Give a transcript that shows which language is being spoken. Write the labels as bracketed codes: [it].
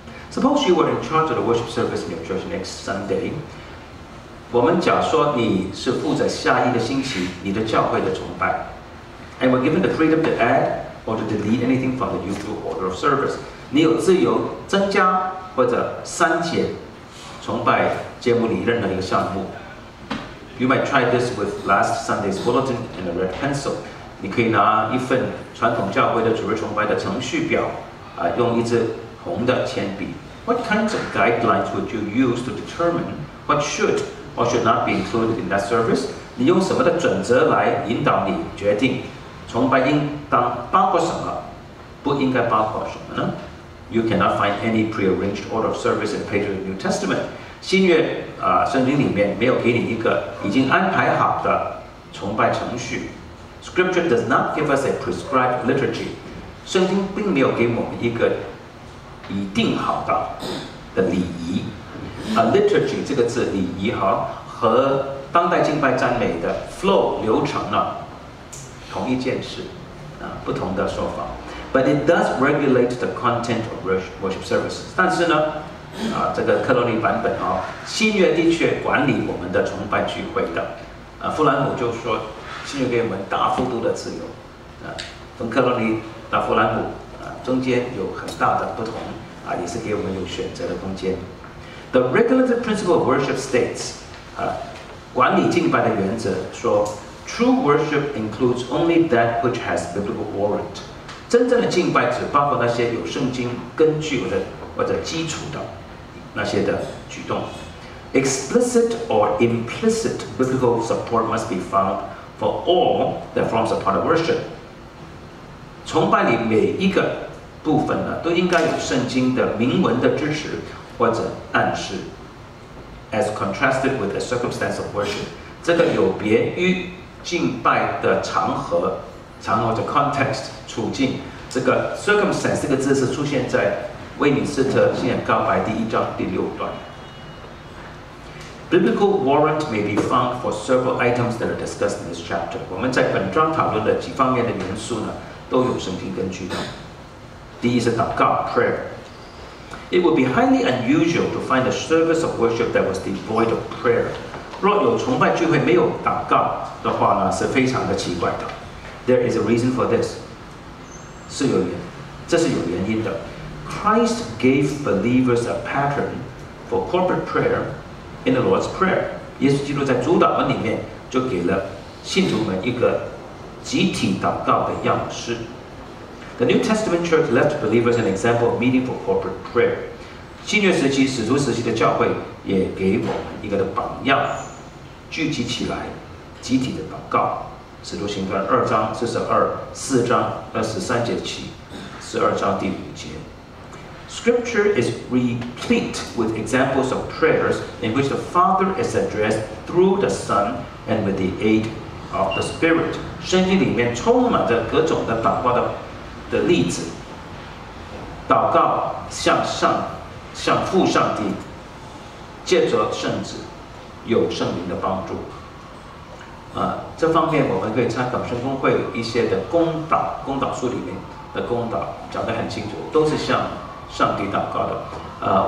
[en] Suppose you were in charge of the worship service in your church next Sunday. [zh] 我们假说你是负责下一个星期你的教会的崇拜。 [en] And were given the freedom to add or to delete anything from the usual order of service. [zh] 你有自由增加或者删减崇拜节目里任何一个项目。 [en] You might try this with last Sunday's bulletin and a red pencil. [zh] 你可以拿一份传统教会的主日崇拜的程序表，用一支红的铅笔。 [en] What kinds of guidelines would you use to determine what should or should not be included in that service? [zh] 你用什么的准则来引导你决定崇拜应当包括什么，不应该包括什么呢？ [en] You cannot find any prearranged order of service in Peter's New Testament. [zh] 新约圣经里面没有给你一个已经安排好的崇拜程序。 [en] Scripture does not give us a prescribed liturgy. [zh] 圣经并没有给我们一个已定好的礼仪。 Liturgy 这个字礼仪和当代敬拜赞美的 flow 流程呢同一件事，不同的说法。 [en] But it does regulate the content of worship services. [zh] 但是呢这个克罗尼版本新约的确管理我们的崇拜聚会的。弗兰姆就说新约给我们大幅度的自由。从克罗尼到弗兰姆中间有很大的不同，也是给我们有选择的空间。 [en] The regulative principle of worship states, [zh] 管理敬拜的原则说 [en] true worship includes only that which has biblical warrant. [zh] 真正的敬拜只包括那些有圣经根据的或者基础的那些的举动。 [en] Explicit or implicit biblical support must be found for all that forms a part of worship. [zh] 崇拜里每一个部分呢都应该有圣经的明文的支持或者暗示。 [en] As contrasted with the circumstance of worship, [zh] 这个有别于敬拜的场合的 [en] context, [zh] 处境。这个 circumstance 这个字是出现在威敏斯特信仰告白第一章第六段。 [en] Biblical warrant may be found for several items that are discussed in this chapter. [zh] 我们在本章讨论的几方面的元素呢都有圣经根据的。第一是祷告 prayer。 [en] It would be highly unusual to find a service of worship that was devoid of prayer. [zh] 若有崇拜聚会没有祷告的话呢，是非常的奇怪的。 [en] There is a reason for this. [zh] 是有原因，这是有原因的。 [en] Christ gave believers a pattern for corporate prayer in the Lord's Prayer. [zh] 耶稣基督在主祷文里面就给了信徒们一个集体祷告的样式。 [en] The New Testament church left believers an example of meaningful corporate prayer. [zh] 新约时期、使徒时期的教会也给我们一个的榜样，聚集起来，集体的祷告。使徒行传二章四十二、四章二十三节起，十二章第五节。 [en] Scripture is replete with examples of prayers in which the Father is addressed through the Son and with the aid of the Spirit. [zh] 圣经里面充满着各种的祷告的例子，祷告向上，向父上帝，借着圣子，有圣灵的帮助。这方面我们可以参考圣公会一些的公祷，公祷书里面的公祷讲得很清楚，都是向上帝祷告的。